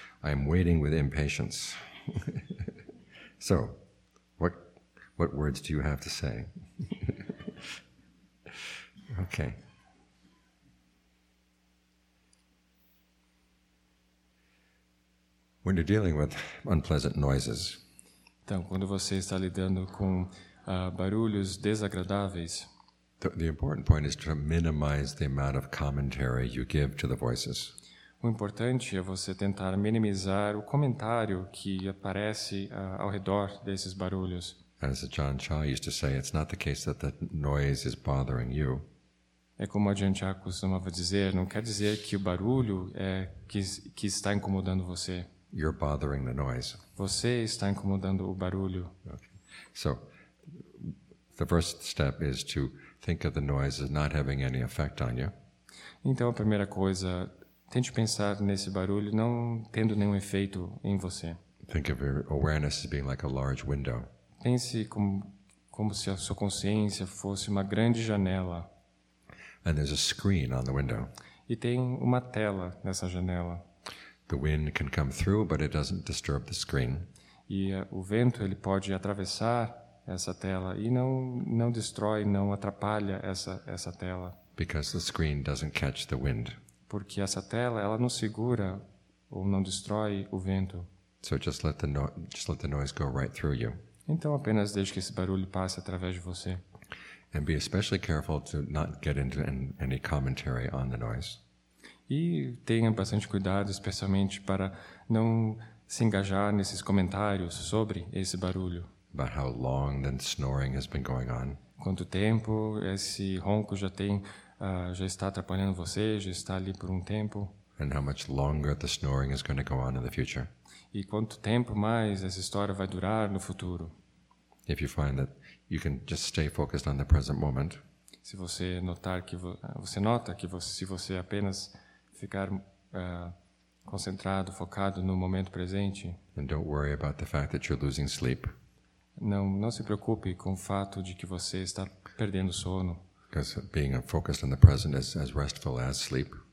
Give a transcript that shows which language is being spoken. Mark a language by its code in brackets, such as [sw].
[en] I'm waiting with impatience. So, what words do you have to say? Okay. When you're dealing with unpleasant noises. [pt] Então, quando você está lidando com barulhos desagradáveis, [en] the important point is to minimize the amount of commentary you give to the voices. [pt] O importante é você tentar minimizar o comentário que aparece ao redor desses barulhos. [en] As Ajahn Chah used to say, it's not the case that the noise is bothering you. [pt] É como Ajahn Chah costumava dizer, não quer dizer que o barulho é que está incomodando você. [en] You're bothering the noise. [pt] Você está incomodando o barulho. [en] Okay. So, the first step is to think of the noise as not having any effect on you. [pt] Então, a primeira coisa, tente pensar nesse barulho não tendo nenhum efeito em você. [en] Think of your awareness as being like a large window. [pt] Pense como se a sua consciência fosse uma grande janela. [en] And there's a screen on the window. [pt] E tem uma tela nessa janela. [en] The wind can come through, but it doesn't disturb the screen. [pt] E o vento ele pode atravessar essa tela e não destrói, não atrapalha essa tela. [en] Because the screen doesn't catch the wind. [pt] Porque essa tela ela não segura ou não destrói o vento. [en] So just let the noise go right through you. [pt] Então apenas deixe que esse barulho passe através de você. [en] And be especially careful to not get into any commentary on the noise. [pt] E tenha bastante cuidado, especialmente para não se engajar nesses comentários sobre esse barulho. [en] About how long the snoring has been going on. [pt] Quanto tempo esse ronco já está atrapalhando você, já está ali por um tempo. [en] And how much longer the snoring is going to go on in the future. [pt] E quanto tempo mais essa história vai durar no futuro. [en] If you find that you can just stay focused on the present moment. [pt] Se você notar que você nota que se você apenas ficar concentrado, focado no momento presente. [en] And don't worry about the fact that you're losing sleep. [pt] Não se preocupe com o fato de que você está perdendo sono. [en] Because being focused on the present is as restful as sleep.